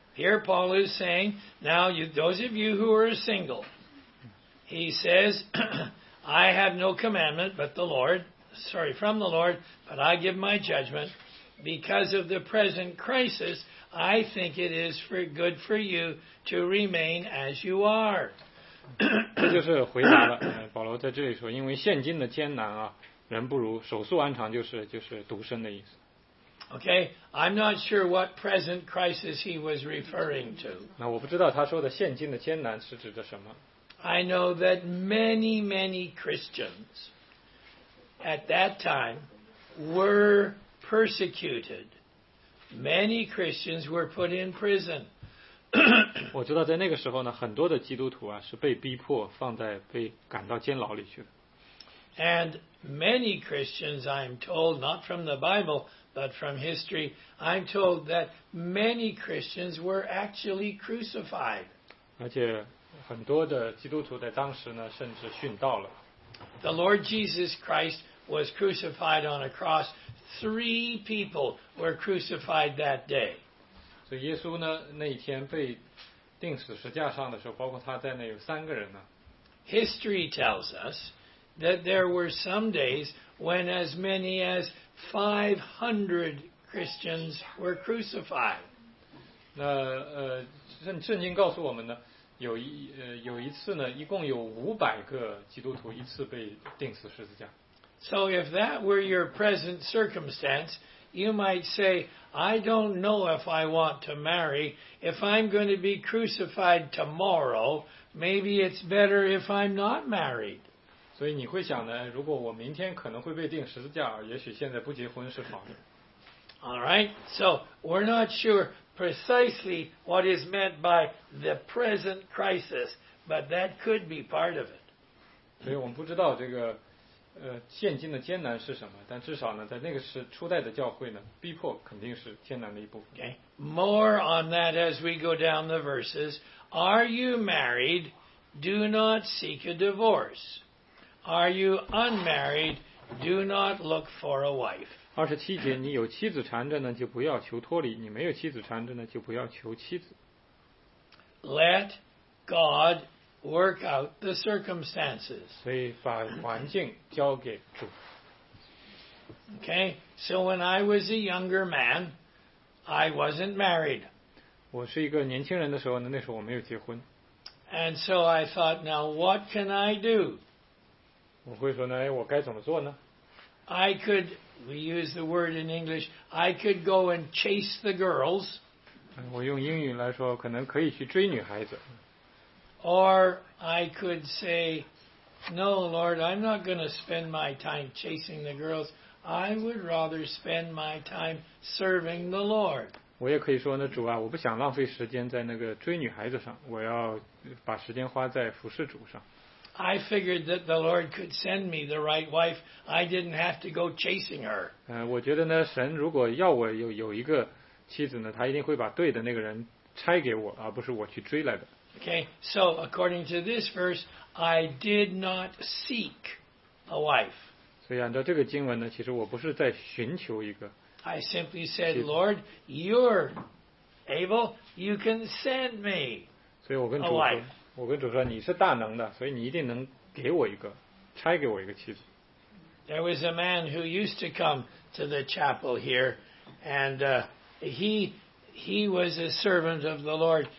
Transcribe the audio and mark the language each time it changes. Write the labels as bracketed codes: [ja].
[en] Here Paul is saying, now you, those of you who are single, he says, I have no commandment but the Lord. From the Lord, but I give my judgment because of the present crisis. I think it is for good for you to remain as you are. [zh] 这就是回答了、保罗在这里说，因为现今的艰难啊，人不如守素安常，就是独身的意思。 [en] Okay, I'm not sure what present crisis he was referring to. [zh] 那我不知道他说的现今的艰难是指的什么。 [en] I know that many Christians. At that time, were persecuted. Many Christians were put in prison. [zh] 我知道在那个时候呢，很多的基督徒啊是被逼迫放在被赶到监牢里去的。 [en] And many Christians, I'm told, not from the Bible, but from history, I'm told that many Christians were actually crucified. [zh] 而且很多的基督徒在当时呢，甚至殉道了。 [en] The Lord Jesus Christ. Was crucified on a cross. Three people were crucified that day. [zh] So, 耶稣呢那一天被钉死十字架上的时候，包括他在内有三个人呢。 [en] History tells us that there were some days when as many as 500 Christians were crucified. [zh] 那圣经告诉我们呢，有一次呢，一共有500个基督徒一次被钉死十字架。 [en] So if that were your present circumstance, you might say, I don't know if I want to marry. If I'm going to be crucified tomorrow, maybe it's better if I'm not married. [zh] 所以你会想呢，如果我明天可能会被钉十字架，也许现在不结婚是好的。 [en] All right, so we're not sure precisely what is meant by the present crisis, but that could be part of it. [zh] 所以我们不知道这个现今的艰难是什么，但至少呢，在那个时初代的教会呢，逼迫肯定是艰难的一部分。 [en] Okay, more on that as we go down the verses. Are you married? Do not seek a divorce. Are you unmarried? Do not look for a wife. [zh] 27节，你有妻子缠着呢，就不要求脱离；你没有妻子缠着呢，就不要求妻子。 [en] Let God work out the circumstances. [zh] 所以把环境交给主。 [en] Okay, so when I was a younger man, I wasn't married. [zh] 我是一个年轻人的时候呢，那时候我没有结婚。 [en] And so I thought, now what can I do? [zh] 我会说呢，哎，我该怎么做呢？ [en] I could, we use the word in English, I could go and chase the girls. [zh] 我用英语来说，可能可以去追女孩子。 [en] Or I could say, no, Lord, I'm not going to spend my time chasing the girls. I would rather spend my time serving the Lord. [zh] 我也可以说呢，主啊，我不想浪费时间在那个追女孩子上，我要把时间花在服侍主上。 [en] I figured that the Lord could send me the right wife. I didn't have to go chasing her. [zh] 我觉得呢，神如果要我有一个妻子呢，他一定会把对的那个人拆给我，而不是我去追来的。 [en] Okay, so according to this verse, I did not seek a wife. [zh] 所以按照这个经文呢，其实我不是在寻求一个。 [en] I simply said, Lord, you're able, you can send me a wife. [zh] 所以我跟主说。我跟主说，你是大能的，所以你一定能给我一个，拆给我一个妻子。 [en] There was a man who used to come to the chapel here, and he was a servant of the Lord.